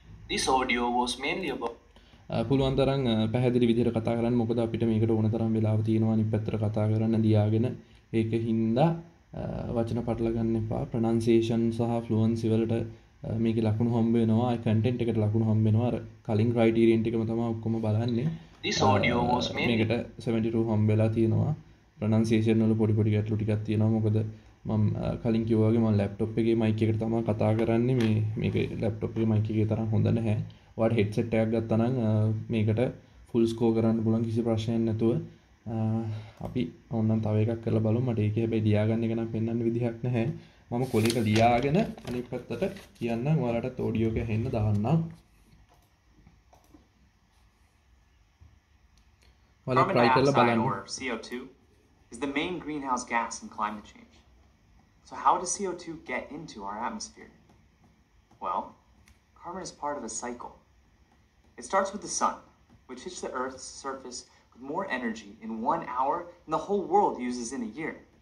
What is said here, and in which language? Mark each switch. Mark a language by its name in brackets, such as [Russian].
[English] This audio was mainly about [Sinhala] පුළුවන් තරම් පැහැදිලි විදිහට කතා කරන්න. මොකද අපිට මේකට ඕන තරම් වෙලාව තියෙනවා අනිත් පැත්තට කතා කරන්න ලියාගෙන. ඒක හින්දා වචන පටල ගන්න එපා. ප්‍රනන්සියේෂන් සහ ෆ්ලුවන්සි වලට මේකේ ලකුණු හම්බ වෙනවා. ඒ කන්ටෙන්ට් එකට ලකුණු හම්බ වෙනවා. අර කලින් ක්‍රයිටීරියන් ටිකම තමයි ඔක්කොම බලන්නේ. [English] This audio was mainly [Sinhala] මේකට 72 හම්බ වෙලා තියෙනවා. ප්‍රනන්සියේෂන් වල පොඩි පොඩි ගැටලු ටිකක් තියෙනවා. මොකද මම කලින් කිව්වා වගේ මම ලැප්ටොප් එකේ මයික් එකට තමයි කතා කරන්නේ. මේ මේක ලැප්ටොප් එකේ මයික් එකේ තරම් හොඳ නැහැ. ඔයාලට හෙඩ්සෙට් එකක් ගත්තා නම් මේකට ෆුල් ස්කෝ කරන්න පුළුවන් කිසි ප්‍රශ්නයක් නැතුව. අපි ඔන්නම් තව එකක් කරලා බලමු. මට ඒක හැබැයි ලියා ගන්න එක නම් පෙන්වන්න විදිහක් නැහැ. මම කොලේක ලියාගෙන අනිත් පැත්තට කියන්නම්. ඔයාලට ඔඩියෝ එක ඇහෙන්න දාන්නම්. ඔයාලා try කරලා බලන්න. [English] CO2 is the main greenhouse gas in climate change. So how does CO2 get into our atmosphere? Well, carbon is part of a cycle. It starts with the sun, which hits the Earth's surface with more energy in 1 hour than the whole world uses in a year.